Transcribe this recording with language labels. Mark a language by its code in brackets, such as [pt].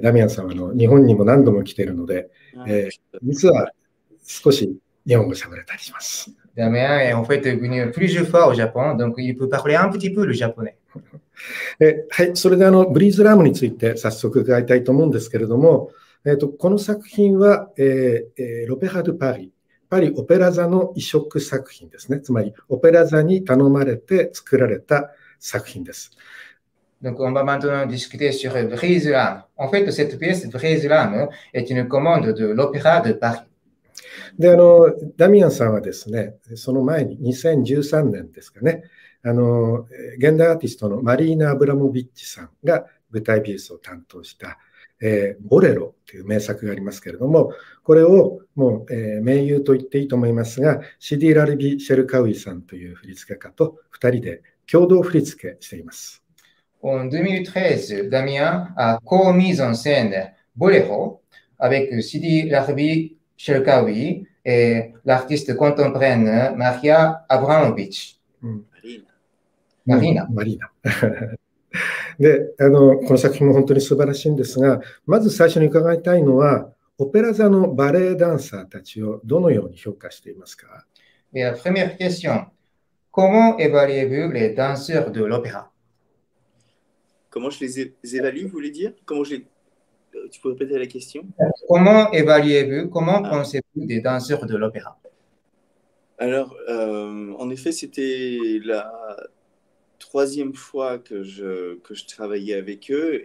[ja] ダミアンさんは日本にも何度も来ているので、実は少し日本語喋れたりします。 [fr] Damien est en fait venu plusieurs fois au Japon, donc il peut parler un petit peu le japonais. [ja] それでブリーズラームについて早速伺いたいと思うんですけれども、この作品は、ロペラ・ドゥ・パリ、パリ・オペラ座の移植作品ですね。つまり、オペラ座に頼まれて作られた作品です。 [fr] Donc, on va maintenant discuter sur Brise-l'âme. En fait, cette pièce, Brise-l'âme, est une commande de l'Opéra de Paris. [ja] で、ダミアンさんはですね、その前に2013年ですかね、現代アーティストのマリーナ・アブラモビッチさんが舞台美術を担当した、ボレロという名作がありますけれども、これをもう、名優と言っていいと思いますが、シディ・ラルビ・シェルカウイさんという振付家と2人で共同振付しています。 [fr] En 2013, Damien a co-mis en scène Boléro avec Sidi Larbi Cherkaoui et l'artiste contemporaine Maria Abramovic. Marina. [ja] で、この作品も本当に素晴らしいんですが、まず最初に伺いたいのは、オペラ座のバレエダンサーたちをどのように評価していますか？ [fr] Et la première question. Comment évaluez-vous les danseurs de l'opéra? Comment je les évalue, vous voulez dire? Comment je... Tu peux répéter la question? Comment évaluez-vous, comment pensez-vous des danseurs de l'opéra? Alors, en effet, c'était la troisième fois que je travaillais avec eux.